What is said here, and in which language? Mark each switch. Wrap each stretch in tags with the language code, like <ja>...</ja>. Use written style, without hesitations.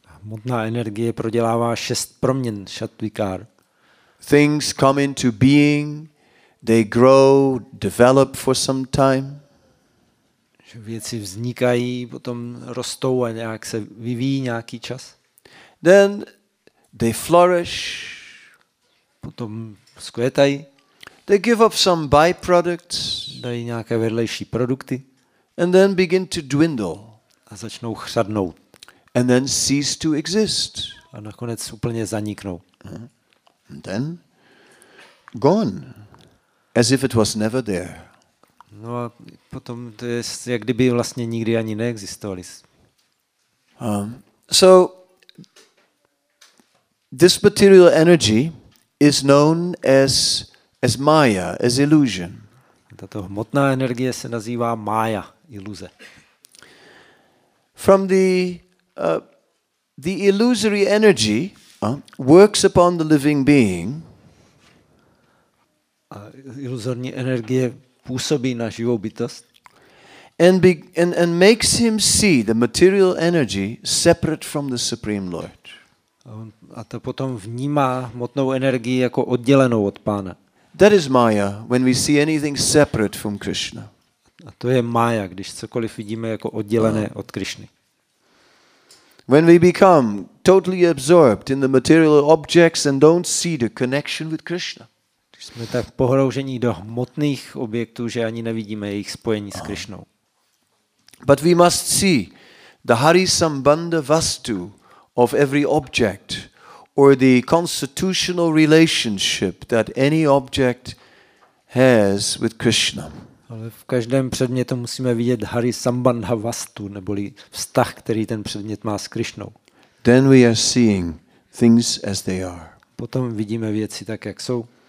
<cs>Hmotná energie prodělává šest proměn, sattvikar.</cs> <en>Things come into being, they grow, develop for some time.</en> <cs>Věci vznikají, potom rostou a nějak se vyvíjí nějaký čas.</cs> <en>Then they flourish,</en> <cs>potom zkvětají.</cs> <en>They give up some byproducts,</en> <cs>dají nějaké vedlejší produkty.</cs> <en>And then begin to dwindle,</en> <cs>a začnou chřadnout.</cs> <en>And then cease to exist,</en> <cs>a nakonec úplně zaniknou.</cs> <en>And then gone, as if it was never there.</en> <cs>No a potom to je, jak kdyby vlastně nikdy ani neexistovali.</cs> <en>So this material energy is known as Maya, as illusion.</en> <cs>Tato hmotná energie se nazývá Maya, iluze.</cs> <en>From the illusory energy works upon the living being.</en> <cs>A iluzorní energie působí na živou bytost</cs> <en>and makes him see the material energy separate from the Supreme Lord.</en> <cs>A to potom vnímá hmotnou energii jako oddělenou od Pána.</cs> <en>That is Maya when we see anything separate from Krishna.</en> <cs>A to je Maya, když cokoliv vidíme jako oddělené od Krishny.</cs> <en>When we become totally absorbed in the material objects and don't see the connection with Krishna.</en> <cs>Jsme tak pohroužení do hmotných objektů, že ani nevidíme jejich spojení s Krišnou.</cs> <en>But we must see the hari sambandha vastu of every object or the constitutional relationship that any object has with Krishna.</en> <cs>Ale v každém předmětu musíme vidět hari sambandha vastu, neboli vztah, který ten předmět má s Krišnou.</cs> <en>Then we are seeing things as they are.</en> <cs>Potom vidíme věci tak, jak jsou.</cs>